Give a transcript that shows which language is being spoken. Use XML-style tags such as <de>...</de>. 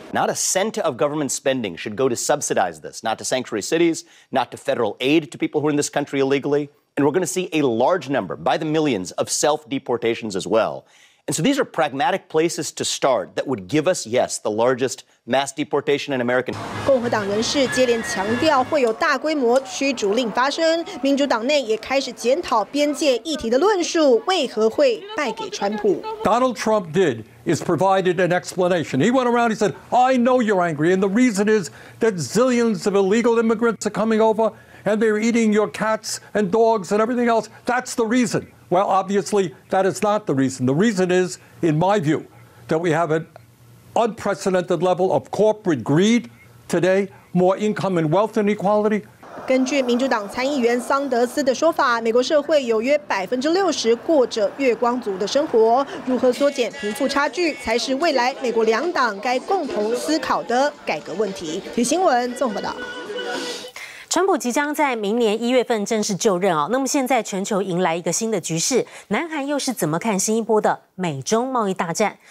<en>Not a cent of government spending should go to subsidize this, not to sanctuary cities, not to federal aid to people who are in this country illegally. And we're going to see a large number, by the millions, of self-deportations as well. And so these are pragmatic places to start that would give us, yes, the largest mass deportation in American.</en> <zh>共和党人士接连强调会有大规模驱逐令发生，民主党内也开始检讨边界议题的论述为何会败给川普。</zh> <en>Donald Trump did is provided an explanation. He went around. He said, "I know you're angry, and the reason is that zillions of illegal immigrants are coming over, and they're eating your cats and dogs and everything else. That's the reason." Well, obviously, that is not the reason. The reason is, in my view, that we have an unprecedented level of corporate greed today, more income and wealth inequality.</en> <zh>根据民主党参议员桑德斯的说法，美国社会有约60%过着月光族的生活，如何缩减贫富差距才是未来美国两党该共同思考的改革问题。体新闻综合报道。川普即将在明年一月份正式就任那么现在全球迎来一个新的局势，南韩又是怎么看新一波的美中贸易大战？</zh>